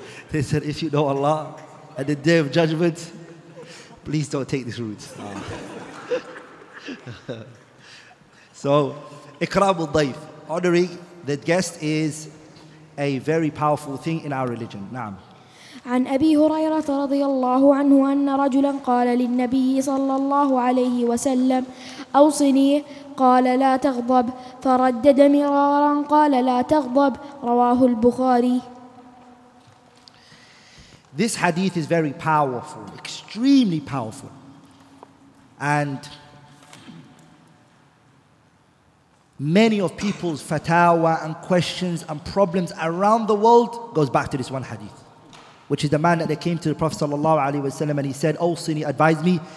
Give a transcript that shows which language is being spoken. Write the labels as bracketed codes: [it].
[en] They said, if you know Allah, at the day of judgment, please don't take this route. So, ikram al-dayf, honoring the guest is a very powerful thing in our religion. Naam. [ar] عن أبي هريرة رضي الله عنه أن رجلا قال للنبي صلى الله عليه وسلم أوصني قال لا تغضب فردد مرارا قال لا تغضب رواه البخاري. [en] This hadith is very powerful, extremely powerful, and many of people's fatawa and questions and problems around the world goes back to this one hadith, which is the man that they came to the Prophet sallallahu alaihi wasallam and he said, oh, Sini, advise me.